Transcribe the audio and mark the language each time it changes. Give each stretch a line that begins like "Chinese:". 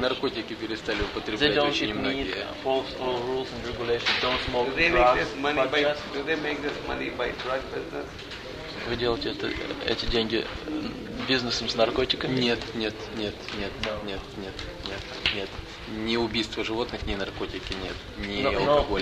Russian: Наркотики перестали употреблять очень многие.
English: False all rules and regulations. Don't smoke. Do they make this money by drug business?
Russian: Вы делаете эти деньги бизнесом с наркотиками? Нет. Ни убийство животных, ни наркотики, нет. Ни алкоголь.